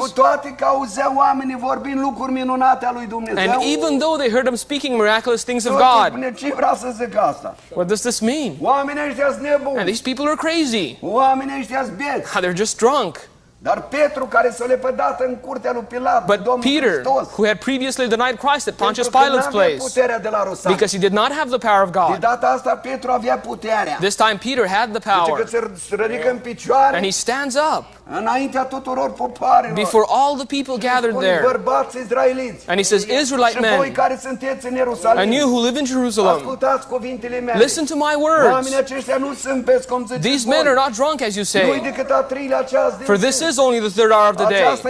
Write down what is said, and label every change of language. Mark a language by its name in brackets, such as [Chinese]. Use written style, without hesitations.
[Romanian] Cu toate că auzeau oamenii vorbind lucruri minunate a lui Dumnezeu. [English] And even though they heard them speaking miraculous things of God. [Romanian] Ce vrea să zic asta? [English] What does this mean? [Romanian] Oamenii ăștia sunt nebuni. [English] And these people are crazy. [Romanian] Oamenii ăștia sunt bieți. [English] Ha, they're just drunk. [Romanian] Dar Petru, care s-a lepădat în curtea lui Pilat, [English] but Peter, Christos, who had previously denied Christ at Pontius Pilate's place, because he did not have the power of God. [Romanian] De data asta, Petru avea puterea. [English] This time Peter had the power. [Romanian] Deci, se ridică în picioare, [English] and he stands up [Romanian] înaintea tuturor poporilor, [English] before all the people gathered there. [Romanian] Bărbați izraeliți, [English] and he says, Israelite men, [Romanian] voi care sunteți în Ierusalim, [English] and you who live in Jerusalem, [Romanian] ascultați cuvintele mele, [English] listen to my words. [Romanian] Oamenii aceștia nu sunt bez, cum ziceți. [English] These men are not drunk, as you say. For this is only the third hour of the day.